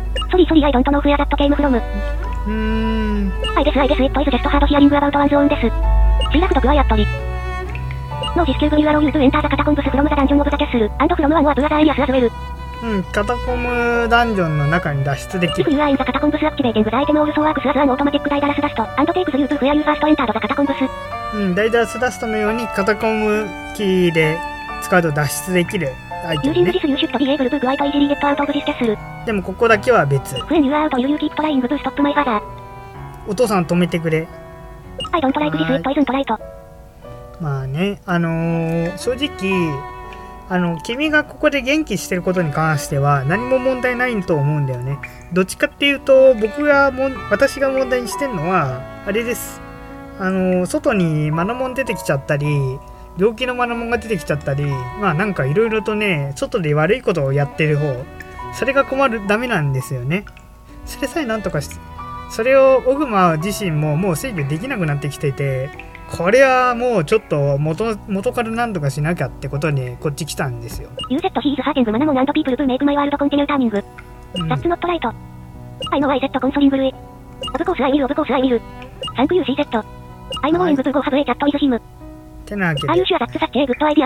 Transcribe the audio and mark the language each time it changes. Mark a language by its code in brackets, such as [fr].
[en] Sorry, sorry, I don't know where that came from. I guess it is just hard hearing about one's own death. She laughed quietly. No, this cube will allow you to enter the catacombs from the dungeon of the castle, and from one of the areas as well. [ja] カタコムダンジョンの中に脱出できる。 [en] If you are in the catacombs activating the item also works as an automatic Daedalus Dust, and takes you to where you first entered the catacombs. [ja] Daedalus Dust のようにカタコムキーで、使うと脱出できるアイテムね。 [en] Using this, you should be able to quite easily get out of this castle. [ja] でもここだけは別。 [en] When you are out, you keep trying to stop my father. [ja] お父さん止めてくれ。 [en] I don't like this, it isn't right. [ja] まあね、正直君がここで元気してることに関しては何も問題ないと思うんだよね。どっちかっていうと私が問題にしてるのはあれです。外にマナモン出てきちゃったり、病気のマナモンが出てきちゃったり、まあなんかいろいろとね、外で悪いことをやってる方、それが困る、ダメなんですよね。それさえなんとかして、それをオグマ自身ももう制御できなくなってきていて、これはもうちょっと元からなんとかしなきゃってことにこっち来たんですよ。 [en] You said he is hurting the Manamon and people to make my world continue turning. That's not right. I know I said consoling you. Of course I will, of course I will. Thank you, she said. I'm going to go have a chat with him. [ja] てなわけで。 [en] Are you sure that's such a good idea?